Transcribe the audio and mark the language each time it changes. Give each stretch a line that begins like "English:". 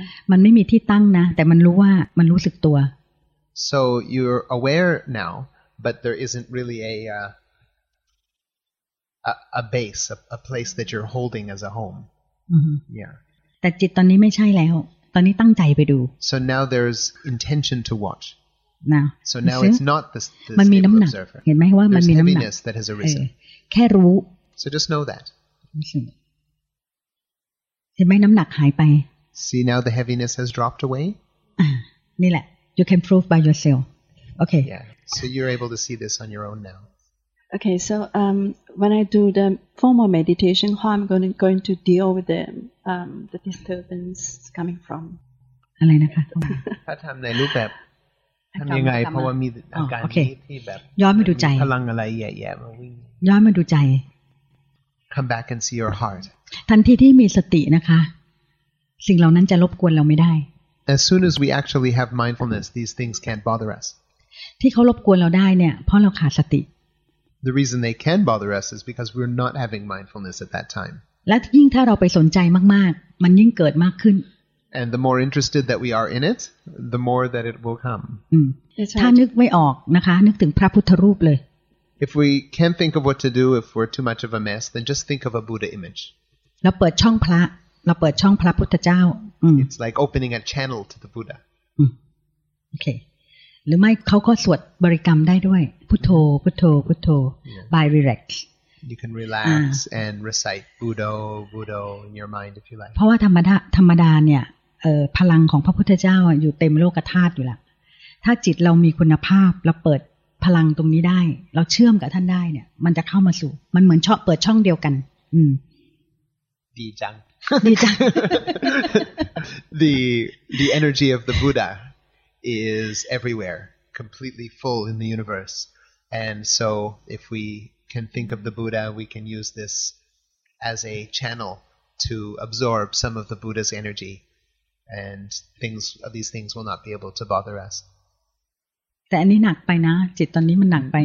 Thai: มันไม่มีที่ตั้งนะแต่มันรู้ว่ามันรู้สึกตัว
English: So you're aware now, but there isn't really a base a place that you're holding as a home mm-hmm. yeah
Thai: แต่จิตตอนนี้ไม่ใช่แล้วตอนนี้ตั้งใจไปดู
English: so now there's intention to watch now so now it's not the stable observer
Thai: เห็นไหมว่ามันมีน้ำหนัก
English: heaviness that has arisen
Thai: แค่รู้
English: so just know that
Thai: เห็นไหมน้ำหนักหายไป
English: see now the heaviness has dropped away
Thai: นี่แหละ
English: you can prove by yourself okay yeah so you're able to see this on your own now Okay, so when I do the formal meditation, how I'm going to deal with the disturbance coming from?
Thai: อะไรนะคะ ถ้าทำในรูปแบบทำยังไงเพราะว่ามีอาการที่แบบ ย้อนมาดูใจ พลังอะไรแย่ๆมาวิ่ง ย้อนมาดูใจ
English: Come back and see your heart.
Thai: ทันทีที่มีสตินะคะสิ่งเหล่านั้นจะรบกวนเราไม่ได้
English: As soon as we actually have mindfulness, these things can't bother us.
Thai: ที่เขารบกวนเราได้เนี่ยเพราะเราขาดสติ
English: The reason they can bother us is because we're not having mindfulness at that time
Thai: และยิ่งถ้าเราไปสนใจมากๆมันยิ่งเกิดมากขึ้น
English: And the more interested that we are in it the more that it will come
Thai: ถ้านึกไม่ออกนะคะนึกถึงพระพุทธรูปเลย
English: If we can't think of what to do if we're too much of a mess then just think of a Buddha image
Thai: เราเปิดช่องพระเราเปิดช่องพระพุทธเจ้า
English: It's like opening a channel to the Buddha
Thai: โอเคหรือไม่เขาก็สวดบริกรรมได้ด้วยพุทโธพุทโธพุทโธ
English: by relax you can relax and recite Buddha Buddha in your mind if you like
Thai: เพราะว่าธรรมดาเนี่ยพลังของพระพุทธเจ้าอยู่เต็มโลกธาตุอยู่แล้วถ้าจิตเรามีคุณภาพเราเปิดพลังตรงนี้ได้เราเชื่อมกับท่านได้เนี่ยมันจะเข้ามาสู่มันเหมือนช่องเปิดช่องเดียวกัน ดีจัง ดีจัง
English: the energy of the Buddha is everywhere completely full in the universe and so if we can think of the Buddha we can use this as a channel to absorb some of the Buddha's energy and things these things will not be able to bother us
Thai: แต่อันนี้หนักไปนะจิตตอนนี้มันหนักไป